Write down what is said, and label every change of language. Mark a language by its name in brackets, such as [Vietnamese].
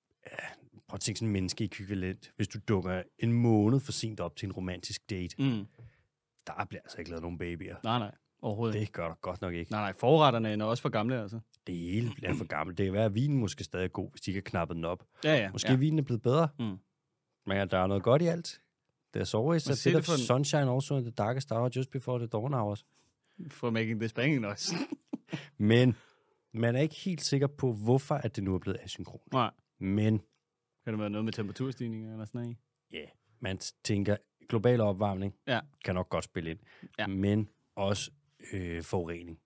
[Danish] Ja, prøv at tænke sådan en menneske ekvivalent, hvis du dukker en måned for sent op til en romantisk date. Mm. Der bliver altså ikke lavet nogen babyer. Nej. Det gør du godt nok ikke. Nej, forretterne er også for gamle, altså. Det hele er for gammelt. Det kan være, at vinen måske stadig er god, hvis de ikke har knappet den op. Ja. Måske vinen er blevet bedre. Mm. Men der er noget godt i alt. [English] There's always a bit of sunshine also in the darkest hour just before the dawn hours. For making this banging noise. [Danish] Men man er ikke helt sikker på, hvorfor at det nu er blevet asynkron. Nej. Men. Kan det være noget med temperaturstigninger eller sådan noget? Ja. Man tænker, global opvarmning kan nok godt spille ind. Ja. Men også... forurening.